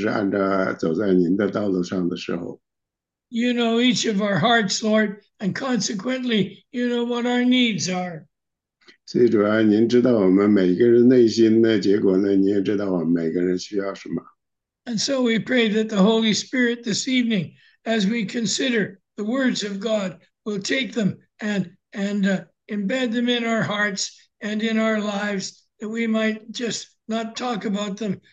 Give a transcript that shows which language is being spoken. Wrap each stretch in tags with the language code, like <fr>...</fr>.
<zh>主啊，我们是一些那个软弱的，并且是那需要的人，所以呢，主啊，求您呢就是帮助我们，帮助我们，当我们今天晚上呢，试图呢就是按照走在您的道路上的时候。</zh> <en>You know each of our hearts, Lord, and consequently, you know what our needs are.</en> <zh>所以主啊，您知道我们每一个人内心的结果呢，您也知道我们每个人需要什么。</zh> <en>And so we pray that the Holy Spirit this evening, as we consider the words of God, will take them and embed them in our hearts and in our lives, that we might just not talk about them.</en>